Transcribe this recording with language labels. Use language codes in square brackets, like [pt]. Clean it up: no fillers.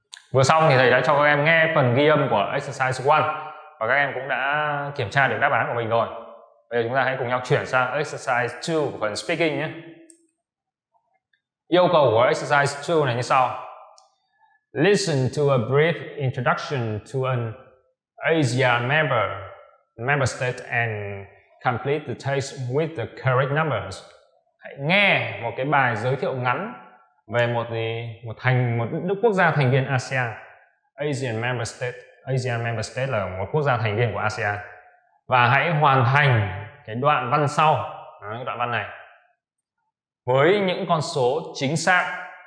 [vi] Vừa xong thì thầy đã cho các em nghe phần ghi âm của exercise 1 và các em cũng đã kiểm tra được đáp án của mình rồi. Bây giờ chúng ta hãy cùng nhau chuyển sang exercise 2 của phần speaking nhé. Yêu cầu của exercise 2 này như sau. [en] Listen to a brief introduction to an ASEAN member state and complete the text with the correct numbers. [vi] Hãy nghe một cái bài giới thiệu ngắn về một quốc gia thành viên ASEAN. ASEAN member state là một quốc gia thành viên của ASEAN. và hãy hoàn thành cái đoạn văn sau, cái đoạn văn này với những con số chính xác.